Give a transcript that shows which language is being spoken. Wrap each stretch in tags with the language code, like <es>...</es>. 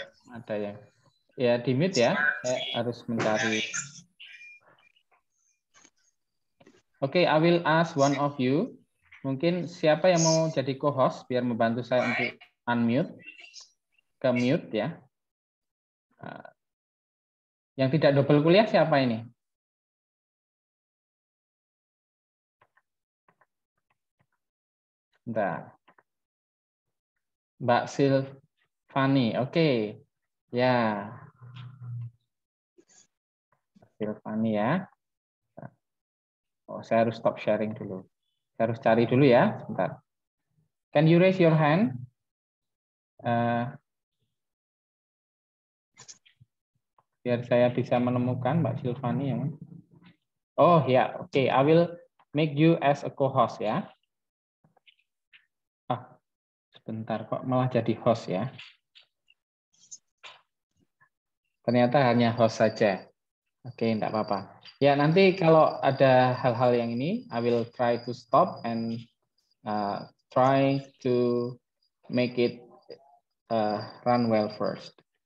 <id>Ada yang ya di mute ya, saya harus mencari.</id> <en>Oke, okay, I will ask one of you.</en> <id>Mungkin siapa yang mau jadi co-host biar membantu saya untuk unmute, ke mute ya. Yang tidak double kuliah siapa ini? Bentar. Mbak Silvani, oke. Okay. Ya. Yeah. Silvani ya. Oh, saya harus stop sharing dulu. Saya harus cari dulu ya, sebentar.</id> <en>Can you raise your hand?</en> <id>Biar saya bisa menemukan Mbak Silvani yang. Oh ya, yeah. Oke.</id> <en>Okay. I will make you as a co-host ya.</en> <id>Ah, sebentar kok malah jadi host ya. Ternyata hanya host saja. Oke, enggak apa-apa. Ya, nanti kalau ada hal-hal yang ini,</id> <en>I will try to stop and try to make it run well first.</en>